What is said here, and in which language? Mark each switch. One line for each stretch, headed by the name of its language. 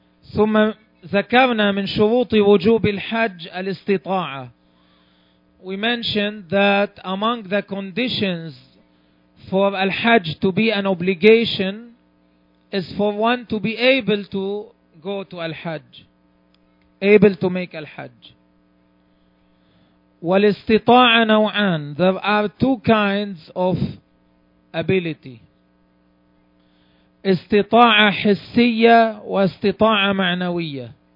Arabic: ثم ذكرنا من شروط وجوب الحج الاستطاعة.
English: We mentioned that among the conditions for Al-Hajj to be an obligation is for one to be able to go to Al-Hajj, able to make Al-Hajj.
Arabic: والاستطاعة نوعان.
English: There are two kinds of ability.
Arabic: استطاعة حسية واستطاعة معنوية.